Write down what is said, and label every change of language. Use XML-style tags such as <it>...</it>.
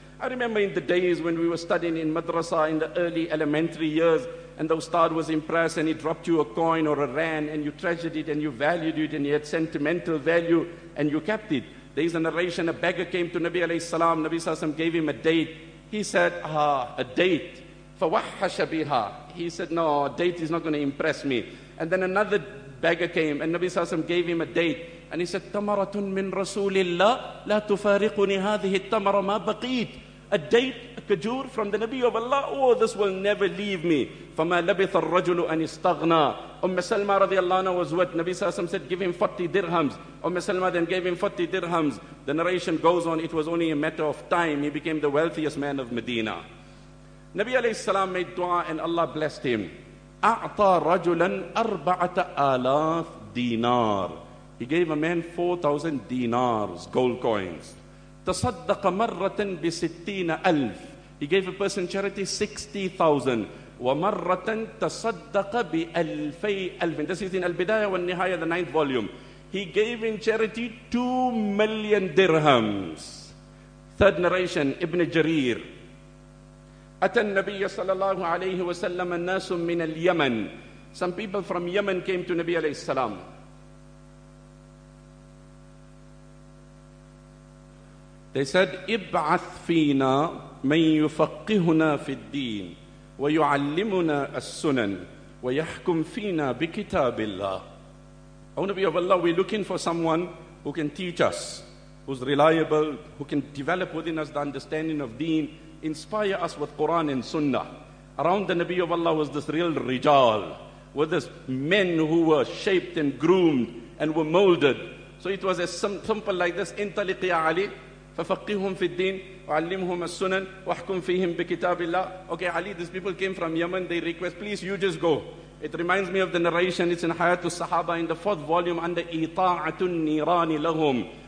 <en>I remember in the days when we were studying in madrasa in the early elementary years, and the ustad was impressed and he dropped you a coin or a rand, and you treasured it and you valued it and you had sentimental value and you kept it. There is a narration, a beggar came to Nabi alayhi salam, Nabi sallallahu alayhi wa gave him a date. He said, a date.</en> <ar>فَوَحَّشَ بِهَا.</ar> <en>He said, no, a date is not going to impress me. And then another beggar came and Nabi sallallahu alayhi wa gave him a date. And he said,</en> <ar>تَمَرَةٌ مِّن رَسُولِ اللَّهِ لَا تُفَارِقُنِ هَذِهِ التَّمَرَ مَا بَقِيدْ.</ar> <en>A date, a kajur from the Nabi of Allah, oh, this will never leave me.</en> <ar>فَمَا لَبِثَ الرَّجُلُ أَنْ إِسْتَغْنَى.</ar> <en>Umm Salma radiallahu anha was what? Nabi sallallahu alayhi wa sallam said, give him 40 dirhams. Umm Salma then gave him 40 dirhams. The narration goes on, it was only a matter of time. He became the wealthiest man of Medina. Nabi alayhi salam made dua and Allah blessed him.</en> <ar>أَعْطَى رَجُلًا أَرْبَعَةَ آلَاف دِينَار.</ar> <en>He gave a man 4,000 dinars, gold coins.</en> <ar>تَصَدَّقَ مَرَّةً بِسِتِّينَ أَلْف.</ar> <en>He gave a person charity 60,000.</en> <ar>وَمَرَّةً تَصَدَّقَ بِأَلْفَيْ أَلْفٍ.</ar> <en>This is in Al-Bidayah wa Nihayah, the ninth volume. He gave in charity 2 million dirhams. Third narration, Ibn Jarir.</en> <ar>أَتَى النَّبِيَّ صَلَى اللَّهُ عَلَيْهِ وَسَلَّمَ النَّاسٌ مِّنَ الْيَمَنِ.</ar> <en>Some people from Yemen came to Nabi alayhi salam. They said,</en> <ar>إِبْعَثْ فِينَا مَنْ يُفَقِّهُنَا فِي الدِّينِ وَيُعَلِّمُنَا السُّنَنِ وَيَحْكُمْ فِينَا بِكِتَابِ اللَّهِ.</ar> <en>O Nabi of Allah, we're looking for someone who can teach us, who's reliable, who can develop within us the understanding of deen, inspire us with Quran and Sunnah. Around the Nabi of Allah was this real rijal, were this men who were shaped and groomed and were molded. So it was as simple like this,</en> <ar>انطلق يا علي فَفَقِّهُمْ فِي الدِّينِ وَعَلِّمْهُمْ السُّنَنِ وَحْكُمْ فِيهِمْ بِكِتَابِ اللَّهِ.</ar> <en>Okay, Ali, these people came from Yemen, they request, please you just go. It reminds me of the narration, it's in Hayatul Sahaba, in the fourth volume, under</en> <ar>إِطَاعَةُ النِّيرَانِ لَهُمْ.</ar>